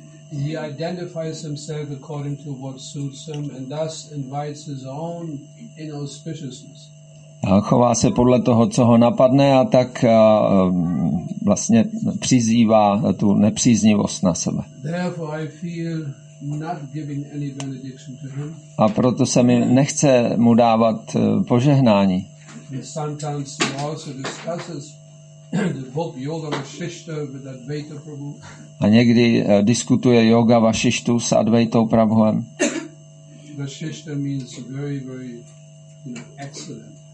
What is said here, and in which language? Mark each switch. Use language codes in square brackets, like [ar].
[en] He identifies himself according to what suits him and thus invites his own inauspiciousness. [cs] A chová se podle toho, co ho napadne, a tak vlastně přizývá tu nepříznivost na sebe. [en] Therefore I feel not giving any benediction to him. [cs] A proto se mi nechce mu dávat požehnání. [en] Sometimes he also discusses the book Yoga Vasishtha with Advaita Prabhu. [cs] A někdy diskutuje Yoga Vasishtu s Advaitou Prabhuem. [en] Vasishtha means very, very, excellent.